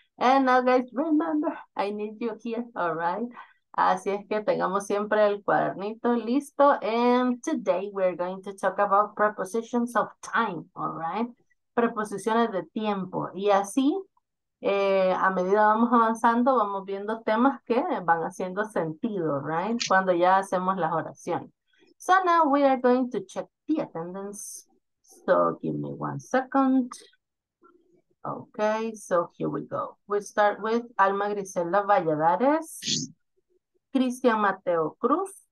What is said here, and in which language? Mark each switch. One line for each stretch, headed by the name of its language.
English: And now, guys, remember, I need you here. All right.
Spanish: Así es que tengamos siempre el cuadernito listo.
English: And today we're going to talk about prepositions of time. All right.
Spanish: Preposiciones de tiempo. Y así, a medida vamos avanzando, vamos viendo temas que van haciendo sentido, right? Cuando ya hacemos las oraciones.
English: So now we are going to check the attendance. So give me one second. Okay, so here we go. We start with Alma Griselda Valladares, Cristian Mateo Cruz,